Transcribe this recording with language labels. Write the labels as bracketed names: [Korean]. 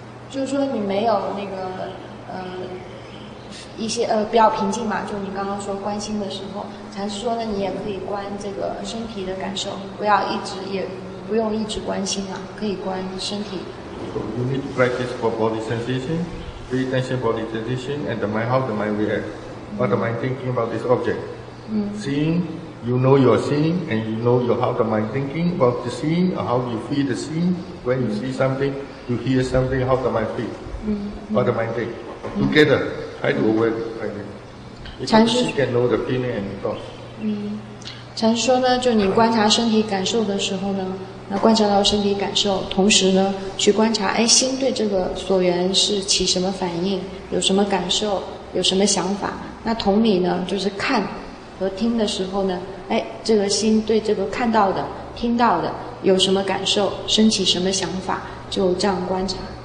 [Chinese] 就是说你没有那个一些比较平静嘛，就你刚刚说关心的时候，禅师说呢，你也可以关这个身体的感受，不要一直也不用一直关心啊，可以关身体。 [English] So you need to practice for body sensation, pay attention body sensation, and the mind how the mind react, what the mind thinking about this object. Seeing, you know you are seeing, and you know your how the mind thinking about the seeing, or how you feel the seeing. When you see something, you hear something, how the mind feel, what the mind think, together. I do away with it. Because she can know the feeling and thoughts. [Chinese] 禅师说呢，就你观察身体感受的时候呢，那观察到身体感受，同时呢，去观察，哎，心对这个所缘是起什么反应，有什么感受，有什么想法。那同理呢，就是看和听的时候呢，哎，这个心对这个看到的、听到的有什么感受，升起什么想法，就这样观察。